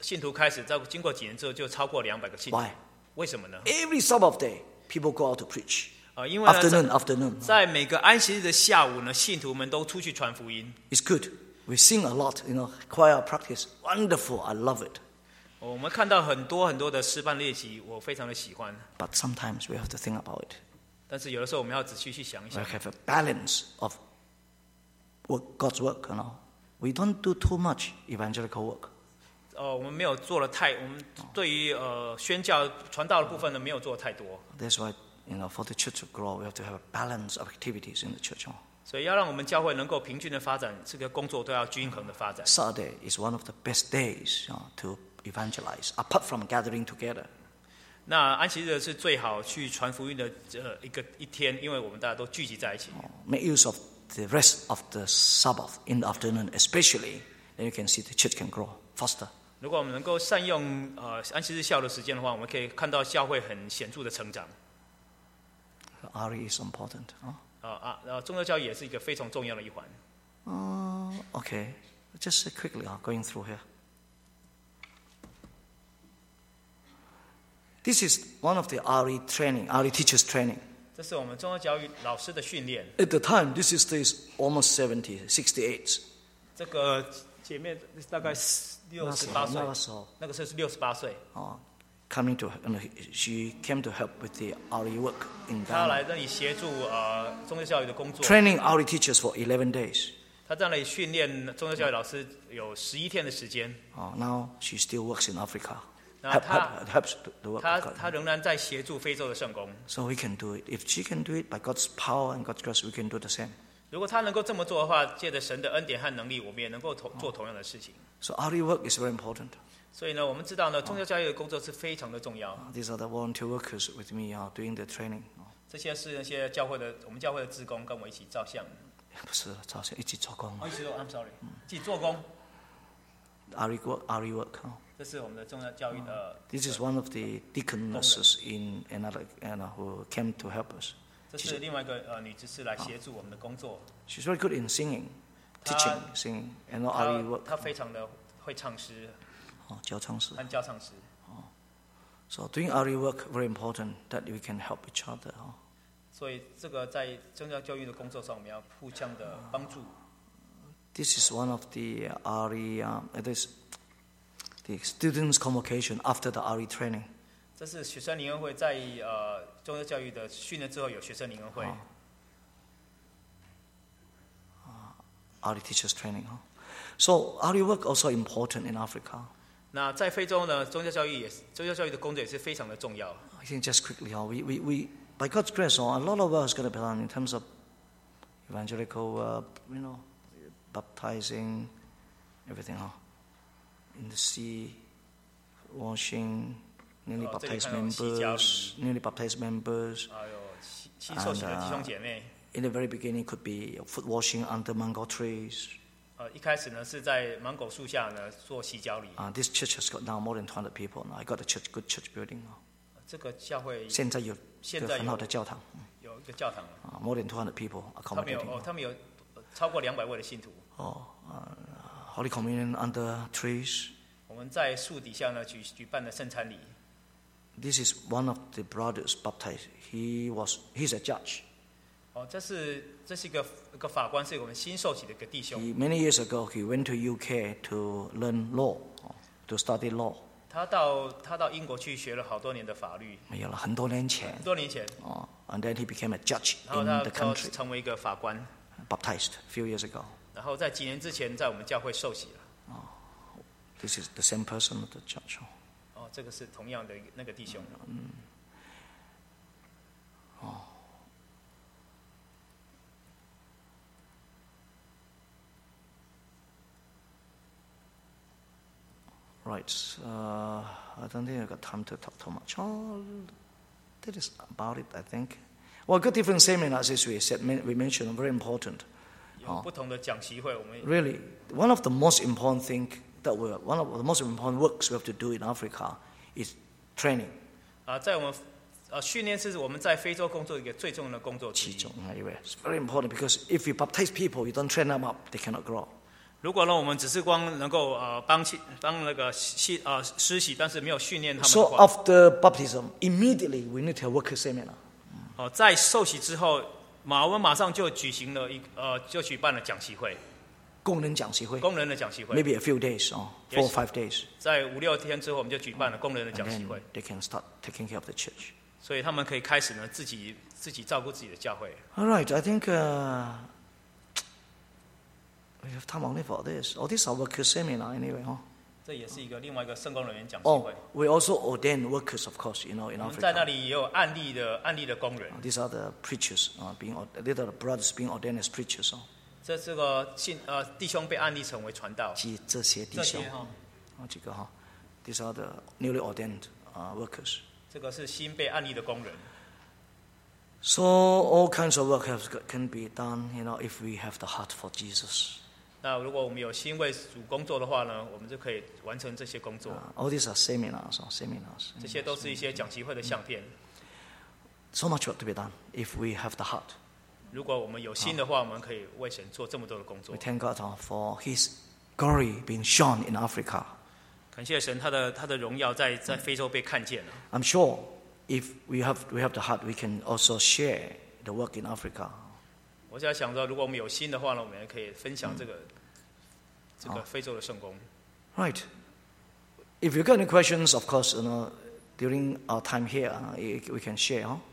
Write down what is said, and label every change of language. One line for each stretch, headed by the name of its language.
Chinese: 从20几个信徒开始，经过几年之后，就超过200个信徒。
English: Why?
Chinese: 为什么呢？
English: Every Sabbath day, people go out to preach. Afternoon.
Chinese: 在每个安息日的下午呢，信徒们都出去传福音。
English: It's good. We sing a lot, you know, choir practice. Wonderful. I love it.
Chinese: 我们看到很多很多的示范练习，我非常的喜欢。
English: But sometimes we have to think about it.
Chinese: 但是有的时候我们要仔细去想一想。
English: We have a balance of work, God's work, you know. We don't do too much evangelical work.
Chinese: 我们没有做了太，我们对于宣教传道的部分呢，没有做太多。
English: That's why, you know, for the church to grow, we have to have a balance of activities in the church.
Chinese: 所以要让我们教会能够平均的发展，这个工作都要均衡的发展。
English: Saturday is one of the best days, to evangelize, apart from gathering together.
Chinese: 那安息日是最好去传福音的一天，因为我们大家都聚集在一起。
English: Make use of the rest of the Sabbath in the afternoon especially, then you can see the church can grow faster.
Chinese: 如果我们能够善用安息日下午的时间的话，我们可以看到教会很显著的成长。
English: RE is important.
Chinese: 宗教教育也是一个非常重要的一环。
English: Okay, just quickly going through here. This is one of the RE training, RE teachers training.
Chinese: 这是我们宗教教育老师的训练。
English: At the time, this is this almost 70, 68.
Chinese: 这个前面大概68岁。
English: Coming to, and she came to help with the RE work in that.
Chinese: 她来那里协助宗教教育的工作。
English: Training RE teachers for 11 days.
Chinese: 她在那里训练宗教教育老师有11天的时间。
English: Now she still works in Africa. Helps the work.
Chinese: 她仍然在协助非洲的圣工。
English: So we can do it. If she can do it by God's power and God's grace, we can do the same.
Chinese: 如果她能够这么做的话，借着神的恩典和能力，我们也能够做同样的事情。
English: So RE work is very important.
Chinese: 所以呢，我们知道呢，宗教教育的工作是非常的重要。
English: These are the volunteer workers with me doing the training.
Chinese: 这些是那些教会的，我们教会的志工跟我一起照相。不是照相，一起做工。
English: I'm sorry.
Chinese: 一起做工。
English: RE work.
Chinese: 这是我们的宗教教育的。
English: This is one of the deaconesses in another who came to help us.
Chinese: 这是另外一个女执事来协助我们的工作。
English: She's very good in singing, teaching, singing, and not RE work.
Chinese: 她非常的会唱诗。教唱诗。教唱诗。
English: So doing RE work very important that we can help each other.
Chinese: 所以这个在宗教教育的工作上，我们要互相的帮助。
English: This is one of the RE, it is the students convocation after the RE training.
Chinese: 这是学生联谊会在宗教教育的训练之后有学生联谊会。
English: RE teachers training. So RE work also important in Africa.
Chinese: 那在非洲呢，宗教教育也是宗教教育的工作也是非常的重要。
English: I think just quickly, we by God's grace, a lot of work is going to be done in terms of evangelical baptizing, everything, in the sea, washing, newly baptized members, and in the very beginning, could be foot washing under mango trees.
Chinese: 一开始呢是在芒果树下呢做洗脚礼。
English: This church has got now more than 200 people. Now I got a church, good church building.
Chinese: 这个教会现在有现在很好的教堂。有一个教堂。
English: More than 200 people accommodating.
Chinese: 他们有超过200位的信徒。
English: Holy communion under trees.
Chinese: 我们在树底下呢举办了圣餐礼。
English: This is one of the brothers baptized. He's a judge.
Chinese: 这是一个法官，是我们新受洗的一个弟兄。
English: Many years ago, he went to UK to learn law, to study law.
Chinese: 他到英国去学了好多年的法律。没有了，很多年前。很多年前。
English: And then he became a judge in the country.
Chinese: 成为一个法官。
English: Baptized a few years ago.
Chinese: 然后在几年之前，在我们教会受洗了。
English: This is the same person, the judge.
Chinese: 这个是同样的那个弟兄。
English: Right, I don't think I've got time to talk too much. That is about it, I think. Well, good different seminars, as we said, we mentioned, very important.
Chinese: 有不同的讲习会，我们
English: really, one of the most important things that we, one of the most important works we have to do in Africa is training.
Chinese: 在我们训练是我们在非洲工作一个最重要的工作之一。其中啊，因为
English: it's very important because if you baptize people, you don't train them up, they cannot grow.
Chinese: 如果呢，我们只是光能够帮那个施洗，但是没有训练他们的话。
English: So after baptism, immediately we need to have worker seminar.
Chinese: 在受洗之后，我们马上就举行了就举办了讲习会。工人的讲习会。
English: Maybe a few days, four or five days.
Chinese: 在五六天之后，我们就举办了工人的讲习会。
English: They can start taking care of the church.
Chinese: 所以他们可以开始呢，自己照顾自己的教会。
English: All right, I think. We have time only for this. Oh, this is our workers' seminar anyway, huh?
Chinese: 这也是一个另外一个圣工人员讲习会。
English: Oh, we also ordain workers, of course, in Africa.
Chinese: 我们在那里也有案例的工人。
English: These are the preachers, little brothers being ordained as preachers.
Chinese: 这个弟兄被案例成为传道。这些弟兄。几个哈。
English: These are the newly ordained workers.
Chinese: 这个是新被案例的工人。
English: So all kinds of work can be done, you know, if we have the heart for Jesus.
Chinese: 那如果我们有心为主工作的话呢，我们就可以完成这些工作。
English: All these are seminars, seminars.
Chinese: 这些都是一些讲习会的相片。
English: So much work to be done if we have the heart.
Chinese: 如果我们有心的话，我们可以为神做这么多的工作。
English: We thank God for His glory being shown in Africa.
Chinese: 感谢神，他的荣耀在非洲被看见了。
English: I'm sure if we have the heart, we can also share the work in Africa.
Chinese: 我现在想说，如果我们有心的话呢，我们也可以分享这个非洲的圣工。
English: Right. If you got any questions, of course, you know, during our time here, we can share.